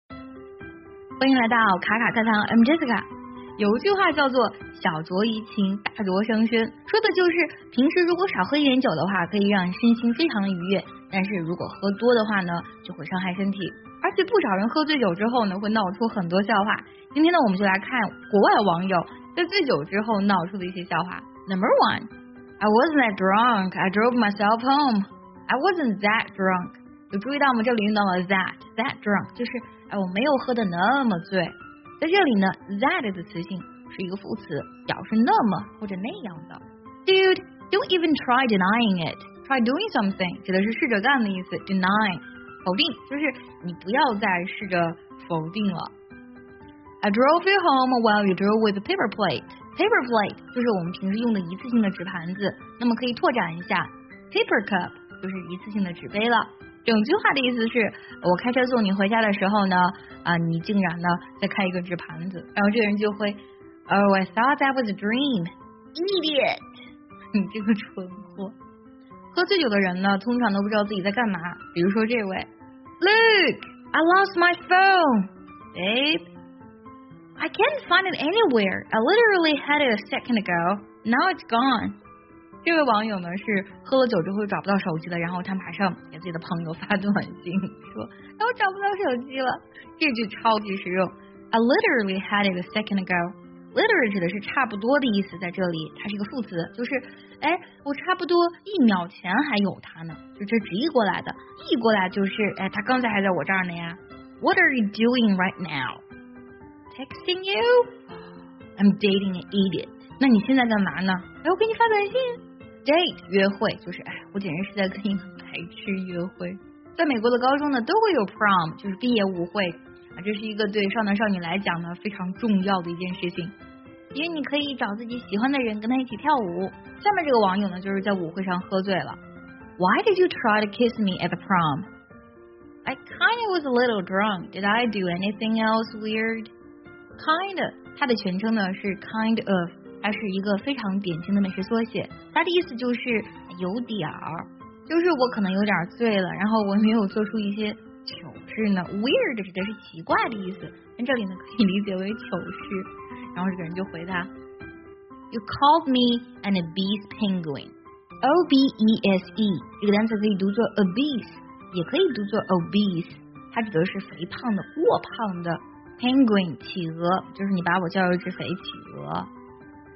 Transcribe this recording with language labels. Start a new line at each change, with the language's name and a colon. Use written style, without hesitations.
Chinese: 欢迎来到卡卡探探 ，
English: I'm Jessica。
Chinese: 有一句话叫做“小酌怡情，大酌伤身”，说的就是平时如果少喝一点酒的话，可以让身心非常的愉悦；但是如果喝多的话呢，就会伤害身体。而且不少人喝醉酒之后呢，会闹出很多笑话。今天呢，我们就来看国外网友在醉酒之后闹出的一些笑话。
English: Number one, I wasn't that drunk. I drove myself home. I wasn't that drunk.
Chinese: 有注意到吗？这里用到了 that drunk， 就是我没有喝得那么醉。在这里呢 ，that 的词性是一个副词，表示那么或者那样的。
English: Dude, don't even try denying it.
Chinese: Try doing something 指的是试着干的意思。Deny， 否定，就是你不要再试着否定了。
English: I drove you home while you drove with a paper plate.
Chinese: Paper plate 就是我们平时用的一次性的纸盘子，那么可以拓展一下 ，paper cup 就是一次性的纸杯了。整句话的意思是我开车送你回家的时候呢，你竟然呢在开一个纸盘子，然后这个人就会
English: Oh, I thought that was a dream. Idiot.
Chinese: 你这个蠢货。喝醉酒的人呢通常都不知道自己在干嘛，比如说这位
English: Look, I lost my phone. Babe, I can't find it anywhere. I literally had it a second ago. Now it's gone.
Chinese: 这位网友呢是喝了酒之后找不到手机了，然后他马上给自己的朋友发短信说我找不到手机了，这句超级实用。
English: I literally had it a second ago.
Chinese: Literally 指的是差不多的意思，在这里它是一个副词，就是我差不多一秒前还有它呢，就这直译过来的，译过来就是它刚才还在我这儿呢呀。
English: What are you doing right now? Texting you? I'm dating an idiot.
Chinese: 那你现在干嘛呢？我给你发短信。 Date 约会就是我简直是在跟一个白痴约会。在美国的高中呢都会有 prom， 就是毕业舞会啊，这是一个对少男少女来讲呢非常重要的一件事情，因为你可以找自己喜欢的人跟他一起跳舞。下面这个网友呢就是在舞会上喝醉了。
English: Why did you try to kiss me at the prom? I kind of was a little drunk. Did I do anything else weird?
Chinese: Kind of 它的全称呢是 kind of，它是一个非常典型的美式缩写，它的意思就是有点儿，就是我可能有点醉了，然后我没有做出一些糗事呢。 Weird 指的是奇怪的意思，但这里呢可以理解为糗事。然后这个人就回答 ：
English: “You called me an obese penguin.
Chinese: O B E S E 这个单词可以读作 obese， 也可以读作 obese， 它指的是肥胖的、过胖的 penguin 企鹅，就是你把我叫一只肥企鹅。”